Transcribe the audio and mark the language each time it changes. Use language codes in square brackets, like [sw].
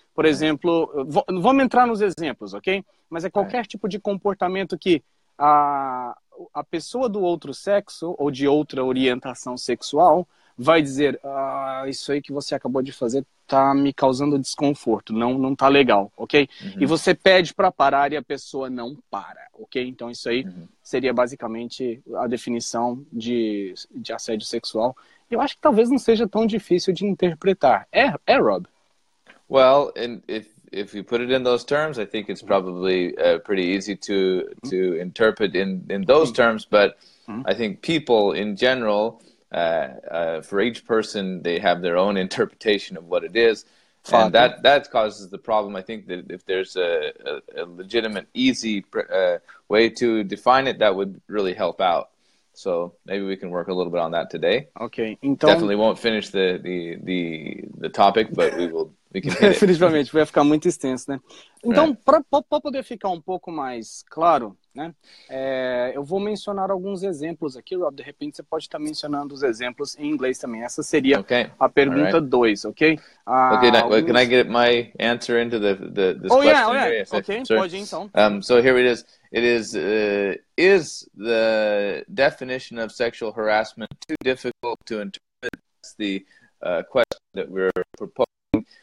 [pt] Por exemplo, vamos entrar nos exemplos, ok? Mas é qualquer tipo de comportamento que a pessoa do outro sexo ou de outra orientação sexual vai dizer, isso aí que você acabou de fazer tá me causando desconforto, não tá legal, ok? Uhum. E você pede para parar e a pessoa não para, ok? Então isso aí seria basicamente a definição de assédio sexual. Eu acho que talvez não seja tão difícil de interpretar. Rob? [en] Well, and if if you put it in those terms, I think it's probably pretty easy to interpret in those terms. But I think people in general, for each person, they have their own interpretation of what it is. And that causes the problem. I think that if there's a legitimate, easy way to define it, that would really help out. So maybe we can work a little bit on that today. Okay. [pt] Então, [en] definitely won't finish the topic, but we can hit it. [pt] Definitivamente, vai ficar muito extenso, né? Então, [en] right. [pt] Para poder ficar pouco mais claro, né? Eu vou mencionar alguns exemplos aqui, Rob. De repente, você pode estar mencionando os exemplos em inglês também. Essa seria a pergunta 2, ok? [en] Okay, can I get my answer into this question? Yeah. Okay, sir. [pt] Pode então. [en] So here it is. It is the definition of sexual harassment too difficult to interpret? That's the question that we're proposing.